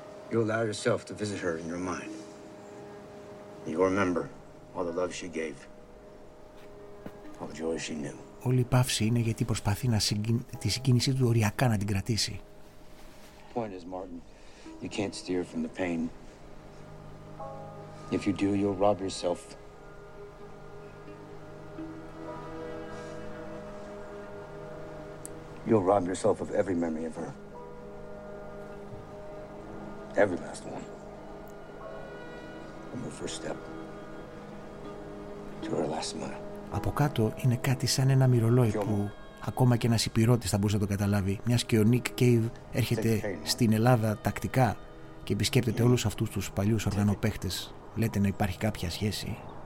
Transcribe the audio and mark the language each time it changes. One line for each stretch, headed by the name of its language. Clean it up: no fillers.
English: You allow yourself to visit her in your mind. You'll remember all the love she gave, all the joy she knew.
Greek: Όλη η παύση είναι γιατί προσπαθεί να τη συγκίνησή του οριακά να την κρατήσει.
English: Point is, Martin, you can't steer from the pain. If you do, you'll rob yourself. You'll rob yourself of every memory of her. Every last one. I'm the first step to our last mile.
Greek: Από κάτω είναι κάτι σαν ένα μυρολόι που ακόμα και ένας υπηρώτης θα μπορούσε να το καταλάβει, μιας και ο Nick Cave έρχεται στην Ελλάδα τακτικά και επισκέπτεται όλους αυτούς τους παλιούς οργανωπαίχτες. Λέτε να υπάρχει κάποια σχέση?